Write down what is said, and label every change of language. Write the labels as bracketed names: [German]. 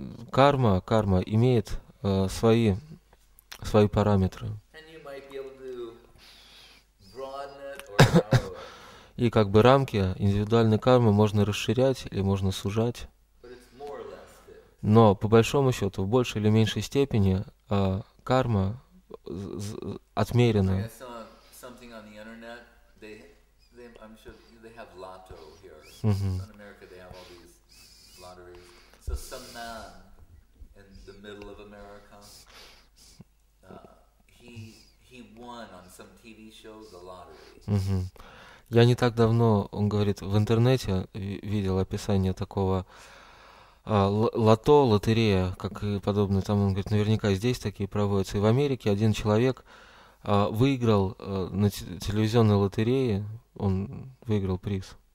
[Russian] Карма имеет свои параметры. [English] And you might be able to broaden it or narrow [Russian] it. И как бы рамки индивидуальной кармы можно расширять или можно сужать. [English] But it's more or less fixed. [Russian] Но по большому счету, в большей или меньшей степени, карма отмерена. [English] I saw something on the internet. I'm sure they have lotto here. In America they have all these lotteries. So some man in the middle of America, he won on some TV show the lottery. [Russian] Я не так давно, он говорит, в интернете видел описание такого лото, лотерея, как и подобное. Там он говорит, наверняка здесь такие проводятся. И в Америке один человек выиграл на телевизионной лотерее, он выиграл приз.